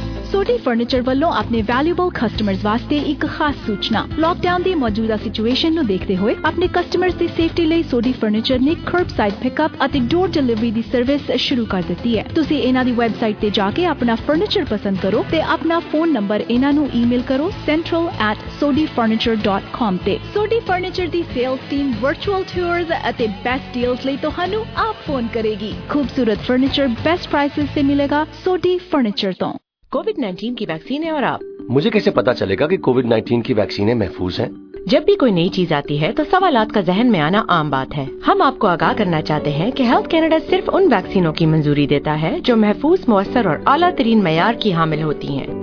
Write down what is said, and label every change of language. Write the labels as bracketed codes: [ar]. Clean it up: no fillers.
[pa] ਸੋਡੀ furniture ਵੱਲੋਂ ਆਪਣੇ valuable customers ਵਾਸਤੇ ਇੱਕ ਖਾਸ ਸੂਚਨਾ। ਲੋਕਡਾਊਨ ਦੀ ਮੌਜੂਦਾ ਸਿਚੁਏਸ਼ਨ ਨੂੰ ਦੇਖਦੇ ਹੋਏ ਆਪਣੇ ਕਸਟਮਰਸ ਦੀ ਸੇਫਟੀ ਲਈ ਸੋਡੀ ਫਰਨੀਚਰ ਨੇ ਕਰਬ ਸਾਈਡ ਪਿਕਅਪ ਅਤੇ ਡੋਰ ਡਿਲੀਵਰੀ ਦੀ ਸਰਵਿਸ ਸ਼ੁਰੂ ਕਰ ਦਿੱਤੀ ਹੈ। ਤੁਸੀਂ ਇਹਨਾਂ ਦੀ ਵੈਬਸਾਈਟ ਤੇ ਜਾ ਕੇ ਆਪਣਾ ਫਰਨੀਚਰ ਪਸੰਦ ਕਰੋ ਤੇ ਆਪਣਾ ਫੋਨ ਨੰਬਰ ਇਹਨਾਂ ਨੂੰ ਈਮੇਲ ਕਰੋ central@sodifurniture.com ਤੇ। ਸੋਡੀ ਫਰਨੀਚਰ ਦੀ ਸੇਲਸ ਟੀਮ ਵਰਚੁਅਲ ਟੂਰਸ ਅਤੇ ਬੈਸਟ ਡੀਲਸ ਲਈ ਤੁਹਾਨੂੰ ਆਪ ਫੋਨ ਕਰੇਗੀ। ਖੂਬਸੂਰਤ ਫਰਨੀਚਰ ਬੈਸਟ ਪ੍ਰਾਈਸਿਸ ਤੇ ਮਿਲੇਗਾ ਸੋਡੀ ਫਰਨੀਚਰ ਤੋਂ। [hi] COVID-19 की वैक्सीन है और आप? मुझे कैसे पता चलेगा कि COVID-19 की वैक्सीनें महफूज हैं? जब भी कोई नई चीज आती है तो सवालात का जहन में आना आम बात है। हम आपको आगाह करना चाहते हैं कि हेल्थ कैनेडा सिर्फ उन वैक्सीनों की मंजूरी देता है जो महफूज, मुअस्सर और आला तरीन मयार की हामिल होती हैं।